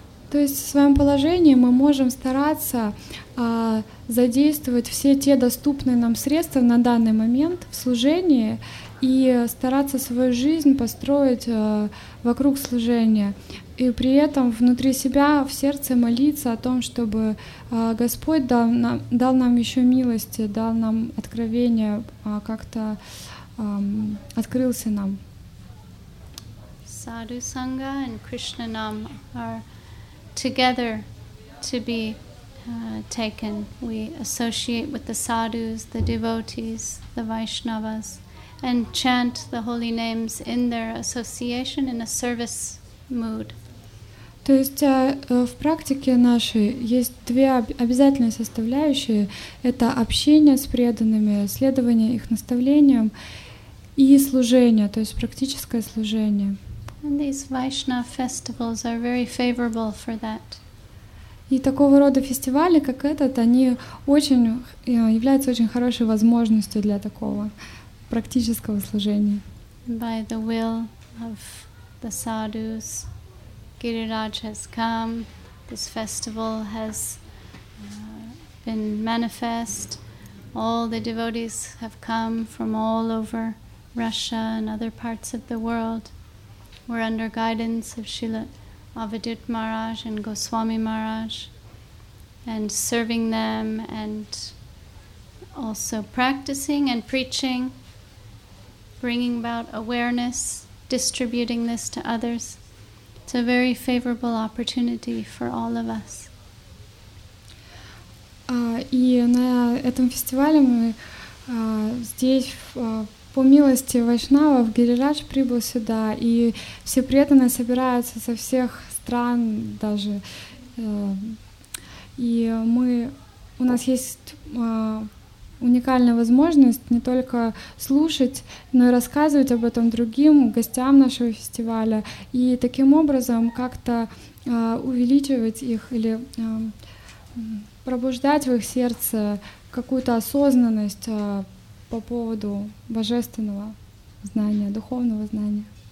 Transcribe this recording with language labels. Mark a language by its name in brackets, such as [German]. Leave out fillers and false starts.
[Russian] То есть в своем положении мы можем стараться задействовать все те доступные нам средства на данный момент в служении и стараться свою жизнь построить вокруг служения. И при этом внутри себя, в сердце молиться о том, чтобы Господь дал нам еще милости, дал нам откровение, как-то открылся нам. [English] Sadhu Sangha and Krishna Nam are together to be taken. We associate with the sadhus, the devotees, the Vaishnavas, and chant the holy names in their association in a service mood. [Russian] То есть в практике нашей есть две обязательные составляющие. Это общение с преданными, следование их наставлениям и служение, то есть практическое служение. [English] And these Vaishnava festivals are very favorable for that. [Russian] И такого рода фестивали, как этот, они очень являются очень хорошей возможностью для такого практического служения. [English] By the will of the sadhus, Giriraj has come, this festival has been manifest, all the devotees have come from all over Russia and other parts of the world. We're under guidance of Srila Avadhut Maharaj and Goswami Maharaj, and serving them and also practicing and preaching, bringing about awareness, distributing this to others. It's a very favorable opportunity for all of us. [Russian] И на этом фестивале мы здесь по милости вайшнавов Гирирадж прибыл сюда, и все преданные собираются со всех стран даже. И мы, у нас есть уникальная возможность не только слушать, но и рассказывать об этом другим гостям нашего фестиваля, и таким образом как-то увеличивать их или пробуждать в их сердце какую-то осознанность по поводу божественного знания, духовного знания.